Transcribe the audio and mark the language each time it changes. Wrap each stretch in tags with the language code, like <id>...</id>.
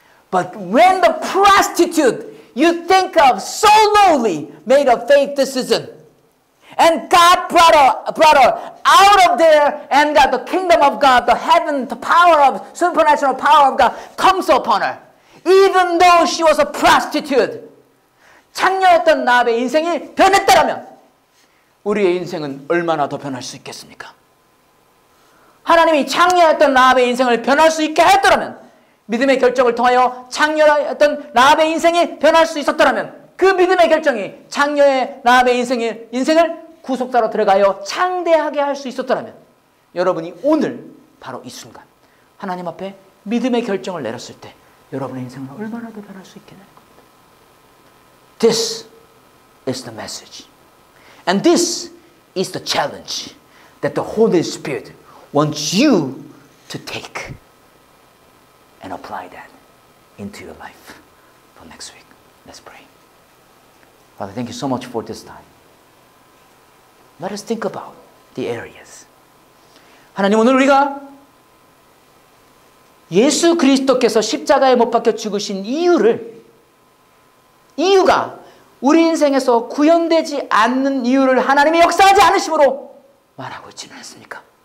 <en>But when the prostitute you think of so lowly made a faith decision, and God brought her out of there, and that the kingdom of God, the heaven, the power of supernatural power of God comes upon her, even though she was a prostitute.</en> <ko>창녀였던 나합의 인생이 변했다라면 우리의 인생은 얼마나 더 변할 수 있겠습니까? 하나님이 창녀였던 나합의 인생을 변할 수 있게 했더라면, 믿음의 결정을 통하여 창녀였던 나합의 인생이 변할 수 있었더라면, 그 믿음의 결정이 창녀의 나합의 인생을 구속사로 들어가여 창대하게 할 수 있었더라면, 여러분이 오늘 바로 이 순간 하나님 앞에 믿음의 결정을 내렸을 때 여러분의 인생은 얼마나 더 변할 수 있겠나요?</ko> <en>This is the message. And this is the challenge that the Holy Spirit wants you to take and apply that into your life for next week. Let's pray. Father, thank you so much for this time. Let us think about the areas.</en> <ko>하나님, 오늘 우리가 예수 그리스도께서 십자가에 못 박혀 죽으신 이유가 우리 인생에서 구현되지 않는 이유를 하나님이 역사하지 않으심으로 말하고 있지는 않습니까?</ko>